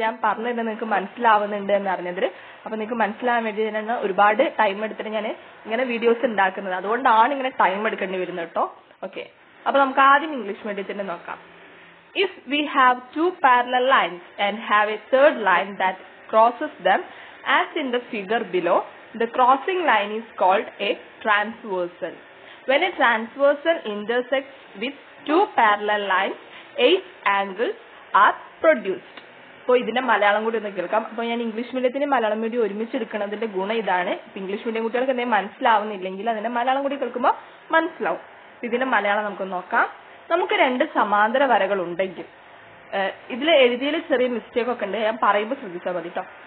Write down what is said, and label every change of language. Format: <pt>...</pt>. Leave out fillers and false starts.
<ml>ഞാൻ പറഞ്ഞതന്നെ നിങ്ങൾക്ക് മനസ്സിലാവുന്നുണ്ട് എന്ന് അറിഞ്ഞതിൽ. അപ്പൊ നിങ്ങൾക്ക് മനസ്സിലാവാൻ വേണ്ടി തന്നെയാണ് ഒരുപാട് ടൈം എടുത്തിട്ട് ഞാൻ ഇങ്ങനെ വീഡിയോസ് ഉണ്ടാക്കുന്നത്, അതുകൊണ്ടാണ് ഇങ്ങനെ ടൈം എടുക്കേണ്ടി വരുന്നത് കേട്ടോ. ഓക്കെ, അപ്പൊ നമുക്ക് ആദ്യം ഇംഗ്ലീഷ് മീഡിയത്തിന്റെ നോക്കാം.</ml> <en>If we have two parallel lines and have a third line that crosses them As in the figure below, the crossing line is called a transversal. When a transversal intersects with two parallel lines, 8 angles are produced.</en> <ml>അപ്പോൾ ഇതിന്റെ മലയാളം കൂടി ഒന്ന് കേൾക്കാം. അപ്പോൾ ഞാൻ English മീഡിയത്തിന് Malayalam medium ഒരുമിച്ച് എടുക്കുന്നതിന്റെ ഗുണം ഇതാണ്. ഇപ്പോൾ ഇംഗ്ലീഷ് മീഡിയം കുട്ടികൾക്ക് എന്തെങ്കിലും മനസ്സിലാവുന്നില്ലെങ്കിൽ അതിന്റെ മലയാളം കൂടി കേൾക്കുമ്പോൾ മനസ്സിലാവും. ഇതിന്റെ മലയാളം നമുക്ക് നോക്കാം. നമുക്ക് രണ്ട് സമാന്തര വരകൾ ഉണ്ടെങ്കിൽ ഇതിൽ എഴുതിയതിൽ ചെറിയ മിസ്റ്റേക്ക് ഒക്കെ ഉണ്ട്, ഞാൻ പറയുമ്പോൾ ശ്രദ്ധിച്ചാൽ മതി കേട്ടോ.</ml>